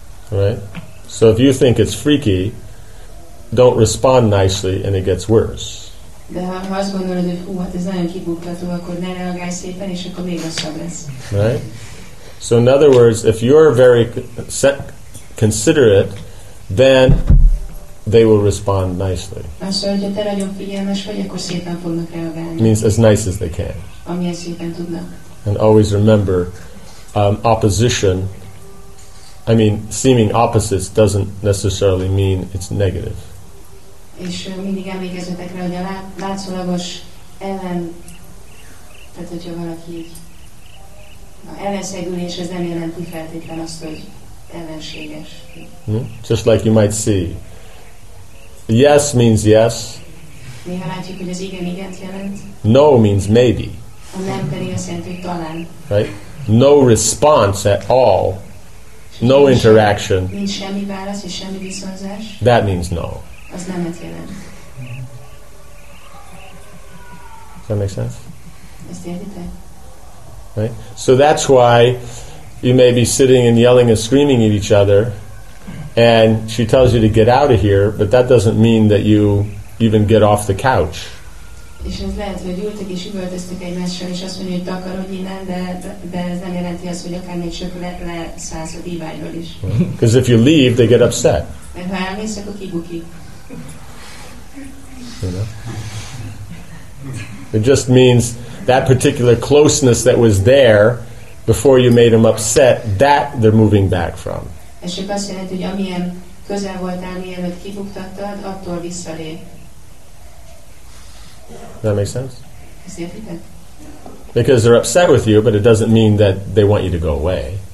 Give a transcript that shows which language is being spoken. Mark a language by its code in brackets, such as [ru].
[en] Right? So if you think it's freaky, don't respond nicely and it gets worse. [hu] De ha azt gondolod, hogy hú, hát ez nagyon kibukható, akkor ne reagálj szépen, és akkor még rosszabb lesz. [en] Right? So in other words, if you're very considerate, then they will respond nicely. [hu] Azt mondja, hogyha te nagyon figyelmes vagy, akkor szépen fognak reagálni. [en] Means as nice as they can. [hu] Amilyen szépen tudnak. [en] And always remember, opposition, I mean, seeming opposites doesn't necessarily mean it's negative. [hu] És mindig emlékezzetek rá, hogy a látszólagos ellen, tehát hogyha valaki így, na, ellenszegülés, ez nem jelenti feltétlen azt, hogy ellenséges. [en] Just like you might see. Yes means yes. [hu] Néha látjuk, hogy az igen igent jelent. [en] No means maybe. [hu] A nem pedig azt jelenti, hogy talán. [en] Right? No response at all. No interaction. [hu] Nincs semmi válasz és semmi visszhangzás. [en] That means no. Does that make sense? Right? So that's why you may be sitting and yelling and screaming at each other and she tells you to get out of here, but that doesn't mean that you even get off the couch. [hu] És ez lehet, hogy ültök és üvöltöztök egymással, és azt mondja, hogy takarodj innen, de ez nem jelenti azt, hogy akár még csak leszállsz a diványról is. [en] Because if you leave, they get upset. [hu] Mert ha elmész, akkor kibuki. [en] You know? It just means that particular closeness that was there before you made them upset, that they're moving back from. [hu] Ez csak azt jelenti, hogy amilyen közel voltál, mielőtt kibuktattad, attól visszalép. [en] That makes sense? Because they're upset with you, but it doesn't mean that they want you to go away.